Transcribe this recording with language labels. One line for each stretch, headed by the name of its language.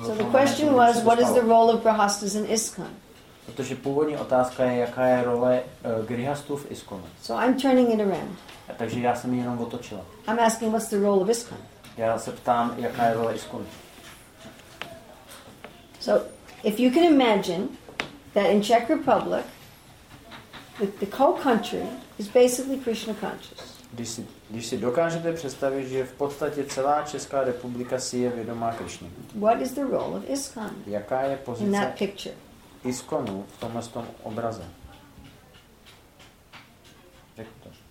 Czech: toho.
English: So the question was, what is the role of grihasthas in ISKCON?
Czech: Protože původní otázka je, jaká je role grihasthů v ISKCON.
English: So I'm turning it around.
Czech: Takže já jsem ji jenom otočila.
English: I'm asking, what's the role of ISKCON?
Czech: Já se ptám, jaká je role ISKCON.
English: So if you can imagine that in Czech Republic, the co-country is basically Krishna conscious.
Czech: Když si dokážete představit, že v podstatě celá Česká republika si je vědomá Krišny.
English: What is the role of ISKCON?
Czech: Jaká je pozice
English: in that picture?
Czech: ISKCONu v tomhle tom obraze? Řek to.